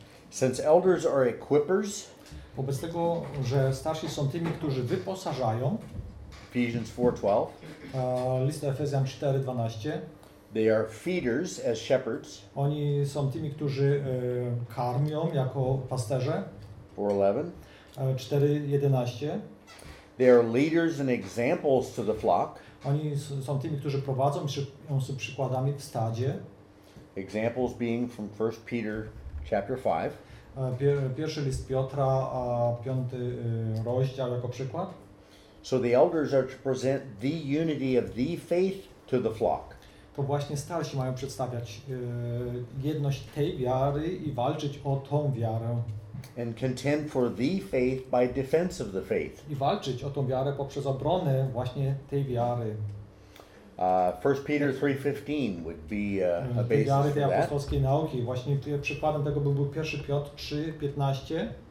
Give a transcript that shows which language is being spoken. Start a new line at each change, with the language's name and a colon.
English: Since elders are equippers,
Polish: wobec tego, że starsi są tymi, którzy wyposażają,
English: Ephesians 4:12,
Polish: list do Efezjan 4:12,
English: they are feeders as shepherds,
Polish: oni są tymi, którzy karmią jako pasterze, 4:11,
English: they are leaders and examples to the flock.
Polish: Oni są tymi, którzy prowadzą, są przykładami w stadzie.
English: Examples being from 1 Peter chapter 5.
Polish: Pierwszy list Piotra, a 5 rozdział jako przykład.
English: So the elders are to present the unity of the faith to the flock.
Polish: To właśnie starsi mają przedstawiać jedność tej wiary i walczyć o tą wiarę.
English: And contend for the faith by defense of the faith.
Polish: I walczyć o tą wiarę poprzez obronę właśnie tej wiary.
English: 1 Peter 3:15 would be a basis for that.
Polish: Wiary tej apostolskiej nauki. Właśnie przykładem tego był 1 Piotr 3:15.